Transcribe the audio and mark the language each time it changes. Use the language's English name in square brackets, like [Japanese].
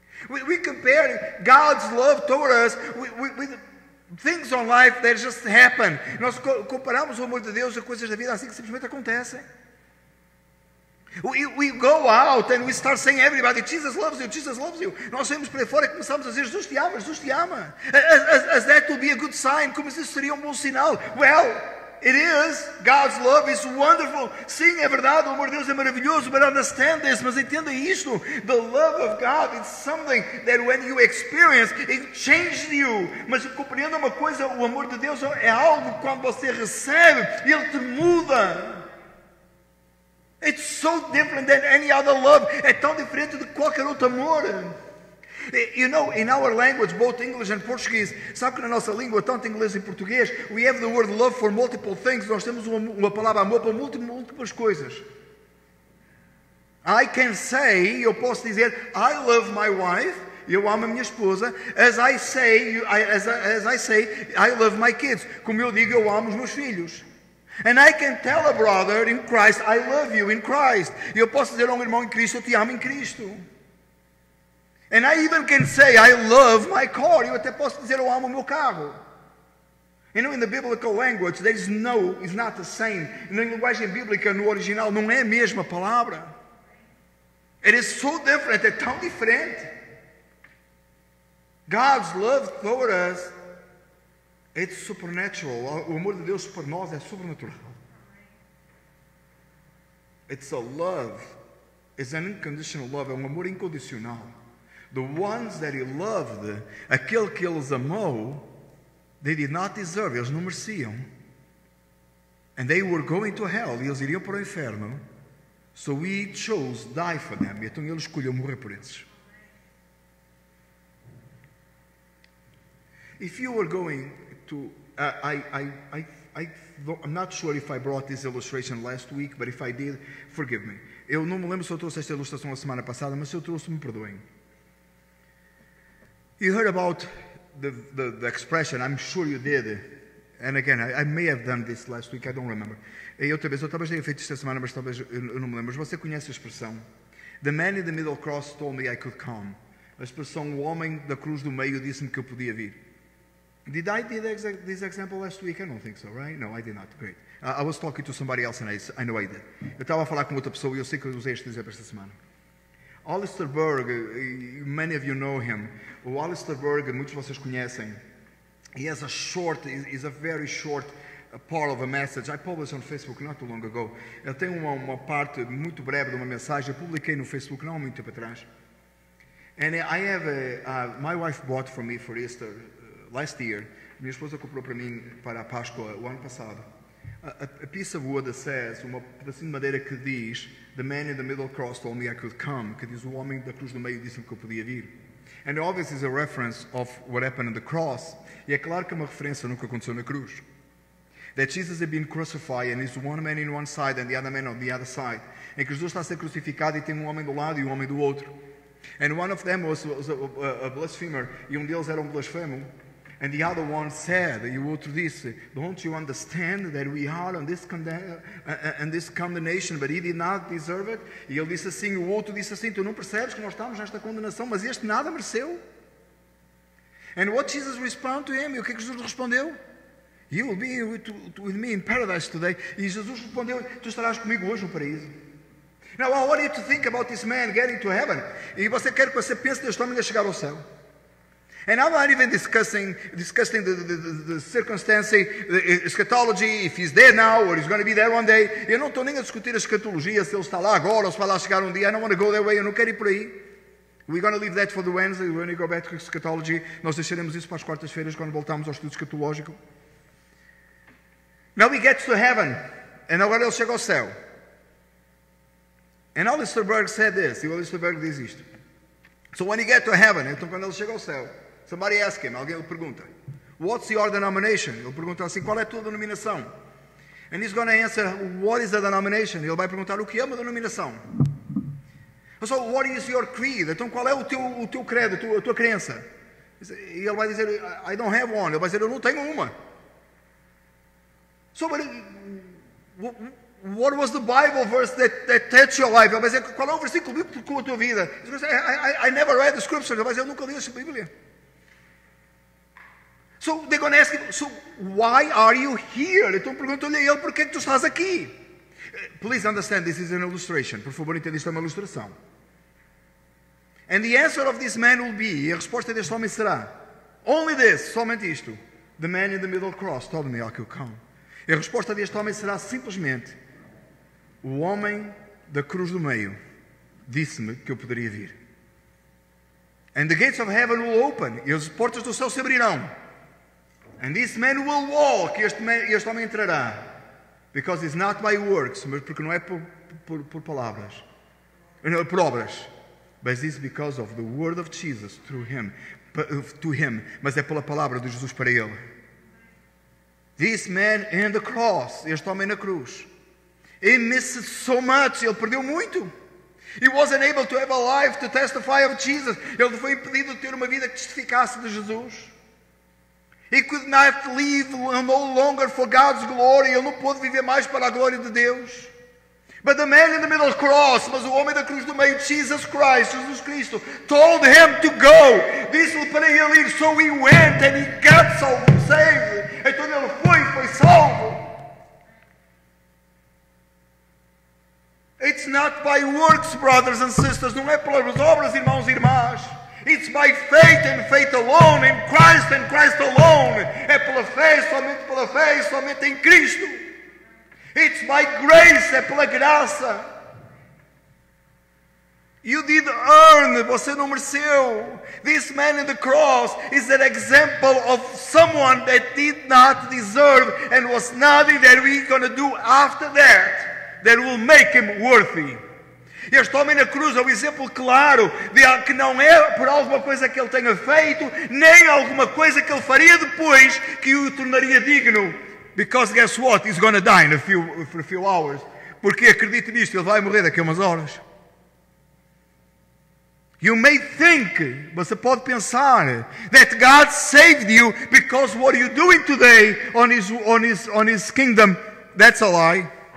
[English] We compare God's love toward us with things on life that just happen. [Portuguese] Nós comparamos o amor de Deus a coisas da vida assim que simplesmente acontecem. [English] We go out and we start saying everybody, Jesus loves you, Jesus loves you. [Portuguese] Nós saímos para fora e começamos a dizer, Jesus te ama, Jesus te ama. [English] As that would be a good sign, [Portuguese] como se isso seria um bom sinal. [English] Well, it is, God's love is wonderful. [Portuguese] Sim, é verdade, o amor de Deus é maravilhoso, [English] but understand this, [Portuguese] mas entenda isto. [English] The love of God is something that when you experience, it changes you. [Portuguese] Mas compreenda uma coisa, o amor de Deus é algo que quando você recebe, ele te muda. [English] It's so different than any other love. [Portuguese] É tão diferente de qualquer outro amor. [English] You know, in our language, both English and Portuguese, [Portuguese] sabe que na nossa língua, tanto inglês e português, [English] we have the word love for multiple things. [Portuguese] Nós temos uma palavra amor para múltiplas coisas. [English] I can say, [Portuguese] eu posso dizer, [English] I love my wife, [Portuguese] eu amo a minha esposa, [English] as I say, I love my kids. [Portuguese] Como eu digo, eu amo os meus filhos. [English] And I can tell a brother in Christ, I love you in Christ. [Portuguese] Eu posso dizer a um irmão em Cristo, eu te amo em Cristo. [English] And I even can say, I love my car. [Portuguese] Eu até posso dizer, eu amo o meu carro. [English] You know, in the biblical language, there is no, it's not the same. [Portuguese] Na linguagem bíblica, no original, não é a mesma palavra. [English] It is so different, [Portuguese] é tão diferente. [English] God's love toward us. It's supernatural. [Portuguese] O amor de Deus por nós é sobrenatural. [English] It's a love. It's an unconditional love. [Portuguese] É um amor incondicional. [English] The ones that he loved, [Portuguese] aquele que ele amou, [English] they did not deserve. [Portuguese] Eles não mereciam. [English] And they were going to hell. [Portuguese] E eles iriam para o inferno. [English] So he chose to die for them. [Portuguese] Então ele escolheu morrer por eles. [English] If you were going... I'm not sure if I brought this illustration last week, but if I did, forgive me. [Portuguese] Eu não me lembro se eu trouxe esta ilustração a semana passada, mas se eu trouxe, me perdoem. [English] You heard about the expression, I'm sure you did, and again, I may have done this last week, I don't remember. [Portuguese] E outra vez, eu talvez tenha feito esta semana, mas talvez eu não me lembro. Mas você conhece a expressão? [English] The man in the middle cross told me I could come. [Portuguese] A expressão, o homem da cruz do meio disse-me que eu podia vir. [English] Did I do this example last week? I don't think so, right? No, I did not. Great. I was talking to somebody else and I know I did. [Portuguese] Eu estava a falar com outra pessoa e eu sei que eu usei este exemplo esta semana. [English] Alistair Berg, many of you know him. [Portuguese] O Alistair Berg, muitos de vocês conhecem. [English] He has a short, is a very short part of a message. I published on Facebook not too long ago. [Portuguese] Ele tem uma parte muito breve de uma mensagem. Eu publiquei no Facebook não há muito tempo atrás. [English] And I have a my wife bought for me for Easter last year. [Portuguese] Minha esposa comprou para mim para a Páscoa o ano passado. [English] A piece of wood that says, [Portuguese] uma pedacinho de madeira que diz, [English] "The man in the middle cross told me I could come." [Portuguese] Que diz, o homem da cruz do meio disse-me que eu podia vir. [English] And obviously it's a reference of what happened on the cross. [Portuguese] E é claro que é uma referência no que aconteceu na cruz. [English] That Jesus had been crucified and is one man in one side and the other man on the other side. [Portuguese] Em que Jesus está a ser crucificado e tem um homem do lado e um homem do outro. [English] And one of them was a blasphemer. [Portuguese] E um deles era um blasfemo. [English] And the other one said, [Portuguese] e o outro disse, [English] "Don't you understand that we are on this, this condemnation, but he did not deserve it?" [Portuguese] E ele disse assim, o outro disse assim, "Tu não percebes que nós estamos nesta condenação, mas este nada mereceu?" [English] And what Jesus responded to him, [Portuguese] e o que é que Jesus respondeu? [English] "You will be with me in paradise today." [Portuguese] E Jesus respondeu, tu estarás comigo hoje no paraíso. [English] Now, I want you to think about this man getting to heaven. [Portuguese] E você quer que você pense neste homem a chegar ao céu. [English] And I'm not even discussing the circumstance, the eschatology, if he's there now or he's going to be there one day. [Portuguese] Eu não estou nem a discutir a escatologia, se ele está lá agora ou se vai lá chegar um dia. [English] I don't want to go that way. [Portuguese] Eu não quero ir por aí. [English] We're going to leave that for the Wednesday. We're going to go back to eschatology. [Portuguese] Nós deixaremos isso para as quartas-feiras quando voltamos ao estudo escatológico. [English] Now he gets to heaven. And [Portuguese] agora ele chega ao céu. [English] And Alistair Berg said this. [Portuguese] E o Alistair Berg diz isto. [English] So when he gets to heaven, [Portuguese] então quando ele chega ao céu, [English] somebody asks him, [Portuguese] alguém lhe pergunta, [English] "What's your denomination?" [Portuguese] Ele pergunta assim, qual é a tua denominação? [English] And he's going to answer, "What is the denomination?" [Portuguese] Ele vai perguntar, o que é uma denominação? [English] So what is your creed? [Portuguese] Então qual é o teu credo, a tua crença? E ele vai dizer, [English] "I don't have one." [Portuguese] Ele vai dizer, eu não tenho uma. [English] So what was the Bible verse that touched your life? [Portuguese] Ele vai dizer, qual é o versículo bíblico que tocou a tua vida? [English] He's going to say, I never read the scripture. [Portuguese] Ele vai dizer, eu nunca li a Bíblia. [English] So they're going to ask him, so why are you here? [Portuguese] Então perguntou-lhe a ele, por que tu estás aqui? [English] Please understand, this is an illustration. [Portuguese] Por favor, entenda, isto é uma ilustração. [English] And the answer of this man will be, [Portuguese] e a resposta deste homem será, [English] only this, [Portuguese] somente isto. [English] The man in the middle cross told me I could come. [Portuguese] E a resposta deste homem será simplesmente, o homem da cruz do meio disse-me que eu poderia vir. [English] And the gates of heaven will open. [Portuguese] E as portas do céu se abrirão. [English] And this man will walk. [Portuguese] Este homem entrará. [English] Because it's not by works. [Portuguese] Mas porque não é por palavras. Não, por obras. [English] But it's because of the word of Jesus through him, to him. [Portuguese] Mas é pela palavra de Jesus para ele. [English] This man in the cross. [Portuguese] Este homem na cruz. [English] He missed so much. [Portuguese] Ele perdeu muito. [English] He wasn't able to have a life to testify of Jesus. [Portuguese] Ele foi impedido de ter uma vida que testificasse de Jesus. [English] He could not live no longer for God's glory. [Portuguese] Ele não pôde viver mais para a glória de Deus. [English] But the man in the middle cross, [Portuguese] mas o homem da cruz do meio, Jesus Cristo, [English] told him to go. [Portuguese] Disse-lhe para ele ir. [English] So he went and he got saved. [Portuguese] Então ele foi salvo. [English] It's not by works, brothers and sisters. [Portuguese] Não é pelas obras, irmãos e irmãs. [English] It's by faith and faith alone, in Christ and Christ alone. [Portuguese] É pela fé, somente em Cristo. [English] It's by grace, [Portuguese] é pela graça. [English] You did earn, [Portuguese] você não mereceu. [English] This man in the cross is an example of someone that did not deserve and was nothing that we're going to do after that. That will make him worthy. [Portuguese] Este homem na cruz é um exemplo claro de que não é por alguma coisa que ele tenha feito, nem alguma coisa que ele faria depois que o tornaria digno. [English] Because guess what? He's going to die for a few hours. [Portuguese] Porque acredite nisto, ele vai morrer daqui a umas horas. [English] You may think, [Portuguese] você pode pensar, [English] that God saved you because what you're doing today on his kingdom, that's a lie.